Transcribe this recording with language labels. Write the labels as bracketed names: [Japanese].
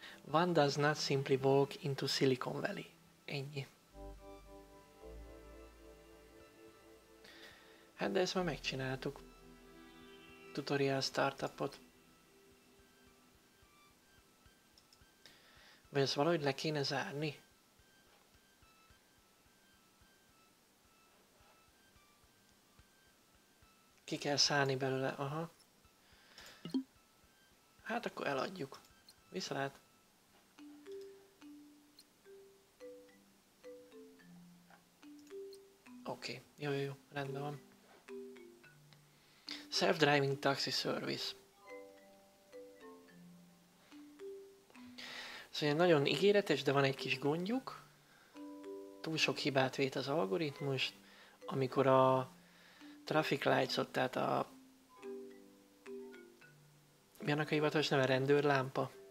[English] One does not simply walk into Silicon Valley. [Hungarian] Ennyi. Hát, de ezt már megcsináltuk. Tutorial startupot. Vagy ezt valahogy le kéne zárni? Ki kell szállni belőle, aha. Hát akkor eladjuk. Viszlát. Oké. Jó. Rendben van. [English] Self-driving taxi service. [Hungarian] Szóval nagyon ígéretes, de van egy kis gondjuk. Túl sok hibát vét az algoritmus, amikor a [English] traffic lights-ot, [Hungarian] tehát a mi annak a hivatalos neve? Rendőrlámpa.